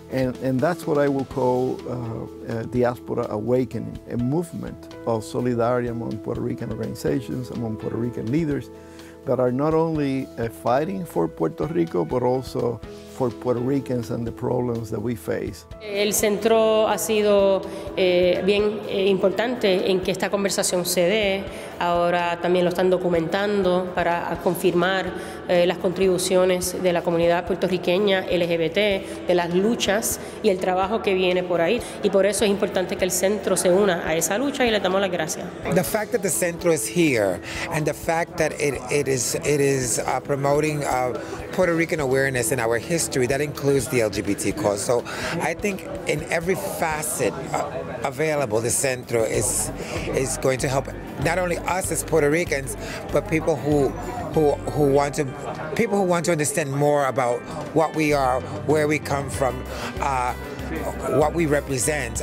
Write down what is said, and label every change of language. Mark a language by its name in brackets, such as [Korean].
[English] And that's what I will call a diaspora awakening, a movement of solidarity among Puerto Rican organizations, among Puerto Rican leaders that are not only fighting for Puerto Rico, but also for Puerto Ricans and the problems that we face. [Spanish] El centro ha sido bien importante en que esta conversación se dé. Ahora también lo están documentando para confirmar las contribuciones de la comunidad puertorriqueña LGBT, de las luchas y el trabajo que viene por ahí. Y por eso es importante que el centro se una a esa lucha y le damos las gracias. [English] The fact that the centro is here and the fact that it is promoting Puerto Rican awareness in our history, that includes the LGBT cause. So I think in every facet available, the centro is going to help not only us as Puerto Ricans, but people who want to understand more about what we are, where we come from, what we represent.